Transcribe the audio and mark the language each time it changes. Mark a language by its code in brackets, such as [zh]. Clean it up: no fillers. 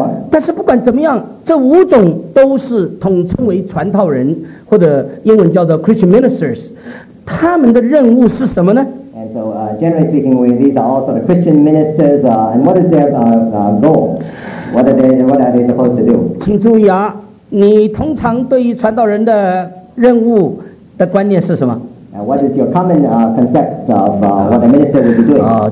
[zh] 但是不管怎么样，这五种都是统称为传道人，或者英文叫做 Christian ministers。他们的任务是什么呢？ [en] Generally speaking, these are all sort of Christian ministers, and what is their goal? What are they supposed to do? [zh] 请注意啊，你通常对于传道人的任务的观念是什么？ [en] What is your common concept of what a minister would be doing?